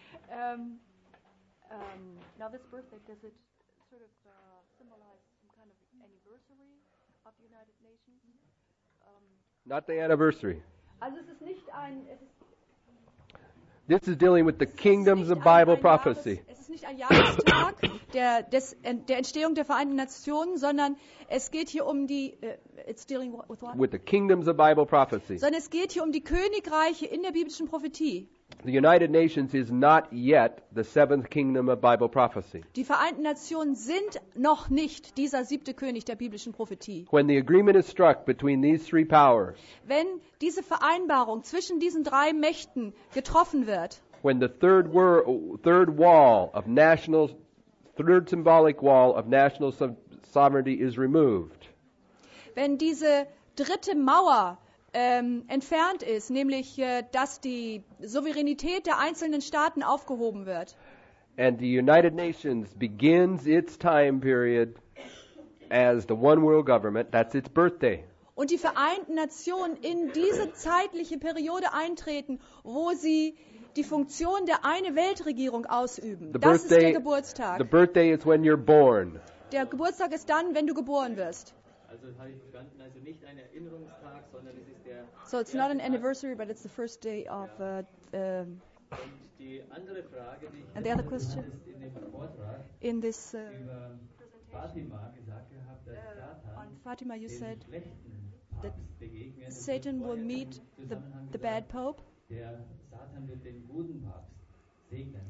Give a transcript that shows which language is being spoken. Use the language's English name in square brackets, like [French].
[English] Now this birthday, does it sort of symbolize some kind of anniversary of the United Nations? Not the anniversary. [German] Also es ist nicht ein, [English] this is dealing with the kingdoms of Bible prophecy. [German] Es ist nicht ein Jahrestag der Entstehung der Vereinten Nationen, sondern es geht hier um die [English] it's dealing with what? With the kingdoms of Bible prophecy. [German] Sondern es geht hier um die Königreiche in der biblischen Prophetie. [English] The United Nations is not yet the seventh kingdom of Bible prophecy. [German] Die Vereinten Nationen sind noch nicht dieser siebte König der biblischen Prophetie. [English] When the agreement is struck between these three powers. [German] Wenn diese Vereinbarung zwischen diesen drei Mächten getroffen wird. [English] When the third symbolic wall of national sovereignty is removed. [German] Wenn diese dritte Mauer entfernt ist, nämlich dass die Souveränität der einzelnen Staaten aufgehoben wird. [English] And the United Nations begins its time period as the one world government, that's its birthday. [German] Und die Vereinten Nationen in diese zeitliche Periode eintreten, wo sie die Funktion der eine Weltregierung ausüben. [English] The [German] das [English] birthday, [German] ist der Geburtstag. [English] The birthday is when you're born. [German] Der Geburtstag ist dann, wenn du geboren wirst. Also das habe ich verstanden, also nicht ein Erinnerungstag, sondern es ist der... [English] So it's not an anniversary, but it's the first day of... [German] Ja. Und die andere Frage, die ich [English] and the other question? [German] Ist in dem Vortrag, [English] in this, [German] über Fatima gesagt gehabt, dass [English] on Fatima you said that Satan will meet the bad Pope. [German] Der Satan wird den guten Papst segnen.